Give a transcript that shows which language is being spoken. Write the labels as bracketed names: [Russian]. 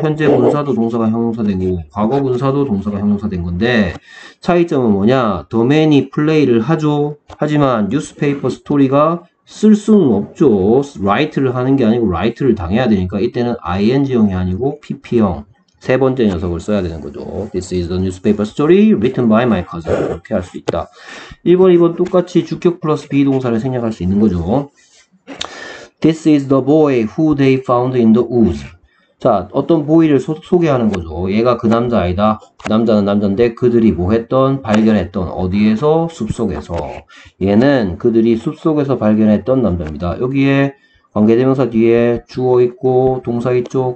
[Korean] 현재 분사도 동사가 형용사 되고 과거 분사도 동사가 형용사 된 건데 차이점은 뭐냐? 더 맨이 플레이를 하죠. 하지만 뉴스페이퍼 스토리가 쓸 수는 없죠. 라이트를 하는 게 아니고 라이트를 당해야 되니까 이때는 ing형이 아니고 PP형 세 번째 녀석을 써야 되는 거죠. [English] This is the newspaper story written by my cousin. [Korean] 이렇게 할수 있다. 1번, 2번 똑같이 주격 플러스 비 동사를 생략할 수 있는 거죠. [English] This is the boy who they found in the woods. [Korean] 자, 어떤 보이를 소개하는 거죠. 얘가 그 남자 아니다. 남자는 남잔데 그들이 뭐 했던, 발견했던, 어디에서, 숲속에서. 얘는 그들이 숲속에서 발견했던 남자입니다. 여기에 관계대명사 뒤에 주어 있고 동사 있죠?